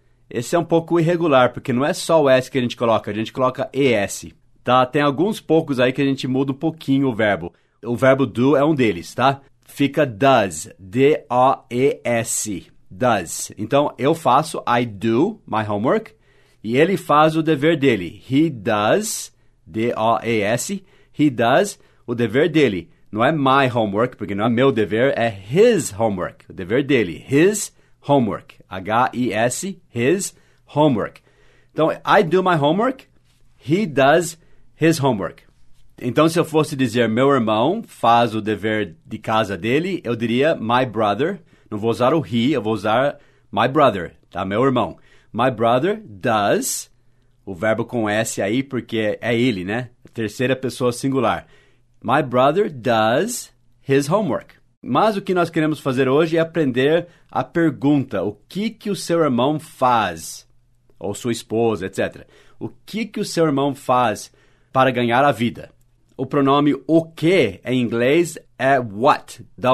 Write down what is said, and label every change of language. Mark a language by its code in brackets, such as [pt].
[pt] Esse é um pouco irregular, porque não é só o S que a gente coloca ES. Tá? Tem alguns poucos aí que a gente muda um pouquinho o verbo. O verbo do é um deles, tá? [en] Fica does, D-O-E-S, does. [pt] Então, eu faço, I do my homework, e ele faz o dever dele. [en] He does, D-O-E-S, he does o dever dele. [pt] Não é my homework, porque não é meu dever, é his homework, o dever dele. [en] His homework, H-I-S, his homework. Então, I do my homework, he does his homework. [pt] Então, se eu fosse dizer meu irmão faz o dever de casa dele, eu diria my brother. Não vou usar o he, eu vou usar my brother, tá? Meu irmão. My brother does, o verbo com S aí, porque é ele, né? Terceira pessoa singular. [en] My brother does his homework. [pt] Mas o que nós queremos fazer hoje é aprender a pergunta. O que que o seu irmão faz? Ou sua esposa, etc. O que que o seu irmão faz para ganhar a vida? O pronome o que em inglês é what.